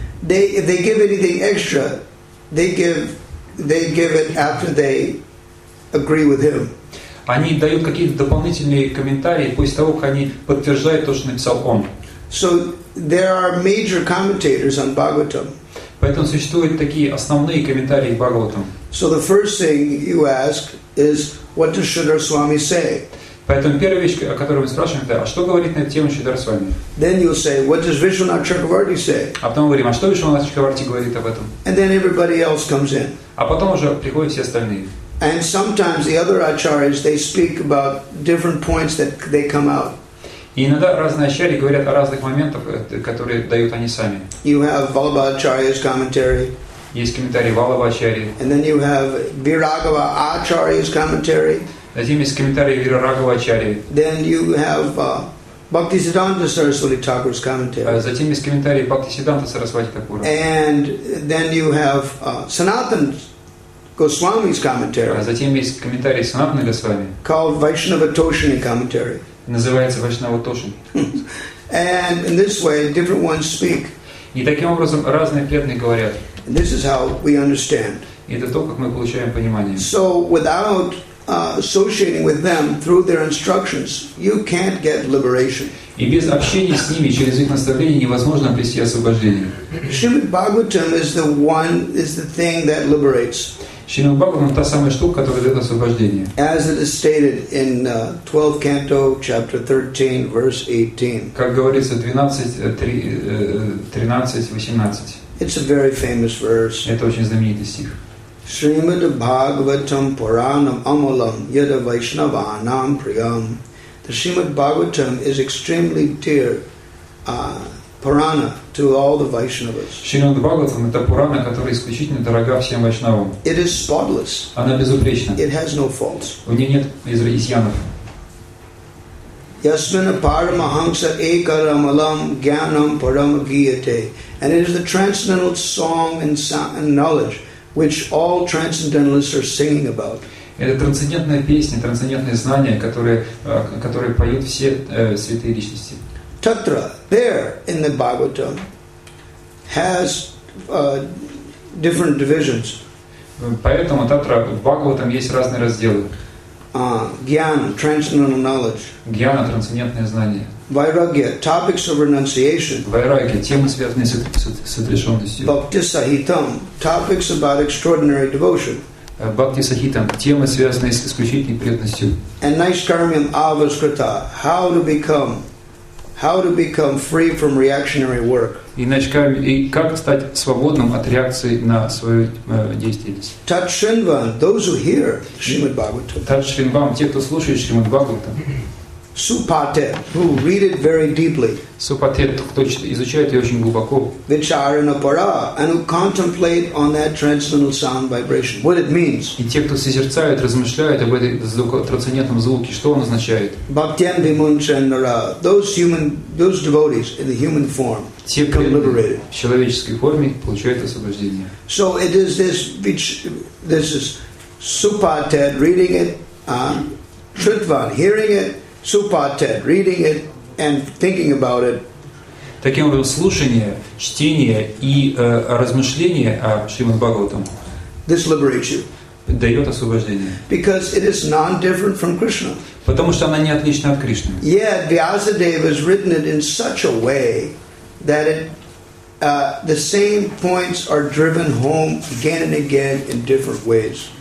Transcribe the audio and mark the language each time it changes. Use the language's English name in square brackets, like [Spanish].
[English] They if they give anything extra, they give it after they agree with him. [Russian] Они дают какие-то дополнительные комментарии после того, как они подтверждают то, что написал он. [English] So there are major commentators on Bhagavatam. [Russian] Поэтому существуют такие основные комментарии к Бхагаватам. [English] So the first thing you ask is, what does Sridhar Swami say? [Russian] Поэтому первая вещь, о которой мы спрашиваем, это, а что говорит на эту тему Шридхар Свами? [English] Then you say, what does Vishwanath Chakravarti say? [Russian] А потом мы говорим, а что Вишванат Чакраварти говорит об этом? [English] And then everybody else comes in. [Russian] А потом уже приходят все остальные. [English] And sometimes the other acharyas, they speak about different points that they come out. [Russian] И иногда разные ачарьи говорят о разных моментах, которые дают они сами. [English] You have Vallabha Acharya's commentary. [Russian] Есть комментарий Vallabha Acharya. [English] And then you have Viraghava Acharya's commentary. [Russian] Затем есть комментарии Вираграгава Ачарьи. [English] Then you have Bhaktisiddhanta Saraswati Thakur's commentary. [Russian] Затем есть комментарии Бхактисиддханта Сарасвати Такура. [English] And then you have Sanatan Goswami's commentary. [Russian] Затем есть комментарии Санатана Госвами. [English] Called Vaishnava Toshini commentary. [Russian] Называется Вайшнава Тошини. [English] And in this way, different ones speak. [Russian] И таким образом разные преданные говорят. [English] And this is how we understand. [Russian] И это то, как мы получаем понимание. [English] So without associating with them through their instructions, you can't get liberation. [Russian] И без общения с ними через их наставления невозможно обрести освобождение. [English] Shrimad Bhagavatam is the one, is the thing that liberates. [Russian] Shrimad Bhagavatam — та самая штука, которая дает освобождение. [English] As it is stated in 12th canto, chapter 13, verse 18. [Russian] Как говорится, 12:13-18. [English] It's a very famous verse. [Russian] Это очень знаменитый стих. [Sanskrit] Shrimad Bhagavatam Puranam Amalam Yada Vaishnavanam Priyam. [English] The Shrimad Bhagavatam is extremely dear Purana to all the Vaishnavas. [Russian] Shrimad Bhagavatam — это Пурана, которая исключительно дорога всем Вайшнавам. [English] It is spotless. [Russian] Она безупречна. [English] It has no faults. [Russian] У нее нет изъянов. [Sanskrit] Yasmin Paramahamsa Ekaramalam Gyanam Param Giyate. [English] And it is the transcendental song and knowledge which all transcendentalists are singing about. [Russian] Это трансцендентная песня, трансцендентные знания, которые поют все святые личности. [English] Tatra, there in the Bhagavatam, has different divisions. [Russian] Поэтому Tatra в Бхагаватам есть разные разделы. [English] Gyan, transcendental knowledge. [Russian] Гьяна — трансцендентные знания. [English] Vairagya, topics of renunciation. [Russian] Vairagya — темы, связанные с отрешенностью. [English] Bhakti-sahitam, topics about extraordinary devotion. [Russian] Bhakti-sahitam — темы, связанные с исключительной преданностью. [English] And naishkarmyam avaskrita, how to become free from reactionary work. [Russian] И как стать свободным от реакции на свою деятельность. [English] Tat-shrinvam, those who hear Shrimad Bhagavatam. [Russian] Tat-shrinvam — те, кто слушает Shrimad Bhagavatam. [English] Supate, who read it very deeply. [Russian] Supate — кто изучает ее очень глубоко. [English] Vicharana para, and who contemplate on that transcendental sound vibration, what it means. [Russian] И те, кто созерцают, размышляют об этом трансцендентном звуке, что он означает. [English] Bhaktyan vimunchanara, those devotees in the human form. [Russian] Те, кто в человеческой форме, получают освобождение. [English] So it is this is Supate, reading it, Shrutvan, hearing it. Supate, reading it and thinking about it. [Russian] Таким образом, слушание, чтение и размышление о Шримад-Бхагаватам дает освобождение. [English] Because it is non-different from Krishna. [Russian] Потому что она не отлична от Кришны. [English] Yet Vyasadeva has written it in such a way that it, the same points are driven home again and again in different ways.